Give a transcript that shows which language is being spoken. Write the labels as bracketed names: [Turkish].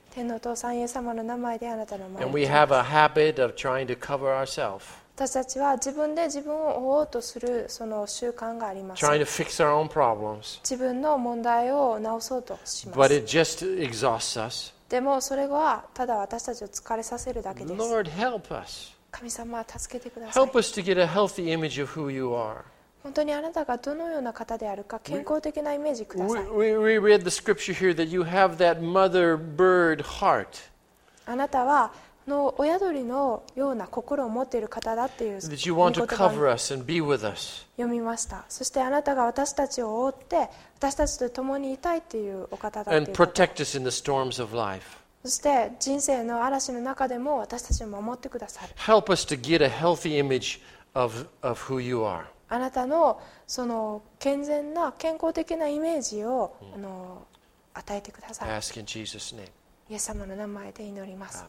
[Japanese] 天のお父さん、イエス様の名前であなたの前に。 [English] And we have a habit of trying to cover ourselves. [Japanese] 私たちは自分で自分を覆おうとするその習慣があります。 [English] Trying to fix our own problems. [Japanese] 自分の問題を直そうとします。 [English] But it just exhausts us. [Japanese] でもそれはただ私たちを疲れさせるだけです。 [English] Lord, help us. [Japanese] 神様は助けてください。 [English] Help us to get a healthy image of who you are. [Japanese] 本当にあなたがどのような方であるか健康的なイメージください。 [English] We read the scripture here that you have that mother bird heart. [Japanese] あなたはの親鳥のような心を持っている方だっていう [English] That you want to cover us and be with us. [Japanese] 読みました。そしてあなたが私たちを覆って私たちと共にいたいっていうお方だっていう [English] And protect us in the storms of life. [Japanese] そして人生の嵐の中でも私たちを守ってくださる。 [English] Help us to get a healthy image of who you are. [Japanese] あなたのその健全な健康的なイメージを与えてください。 [English] Ask in Jesus' name. [Japanese] イエス様の名前で祈ります。